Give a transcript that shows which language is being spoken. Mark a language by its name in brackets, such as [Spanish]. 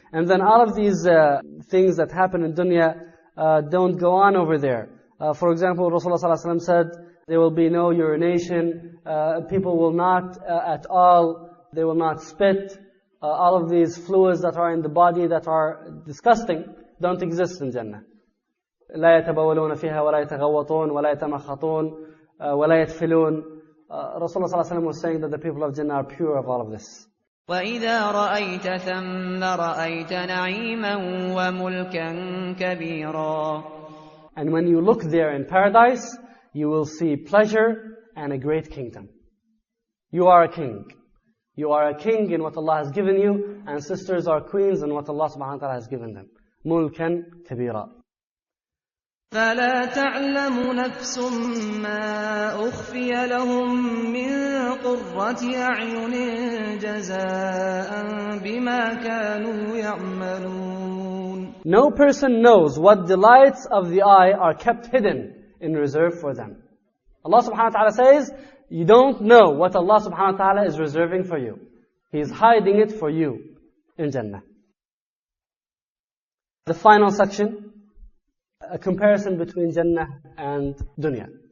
[English] And then all of these things that happen in dunya don't go on over there. For example, Rasulullah ﷺ said, there will be no urination, people will not at all, they will not spit. All of these fluids that are in the body that are disgusting don't exist in Jannah. [Arabic] لا يتبولون فيها ولا يتغوطون ولا يتمخطون ولا يتفلون. [English] Rasulullah صلى الله عليه وسلم was saying that the people of Jannah are pure of all of this. [Arabic] وَإِذَا رَأَيْتَ ثَمَّ رَأَيْتَ نَعِيمًا وَمُلْكًا كَبِيرًا. [English] And when you look there in paradise, you will see pleasure and a great kingdom. You are a king. You are a king in what Allah has given you, and sisters are queens in what Allah subhanahu wa ta'ala has given them. [Arabic] Mulkan kabira. فلا تعلم نفس ما أخفي لهم من قرة أعين جزاء بما كانوا يعملون. [English] No person knows what delights of the eye are kept hidden in reserve for them. Allah subhanahu wa ta'ala says, you don't know what Allah subhanahu wa ta'ala is reserving for you. He is hiding it for you in Jannah. The final section, a comparison between Jannah and dunya.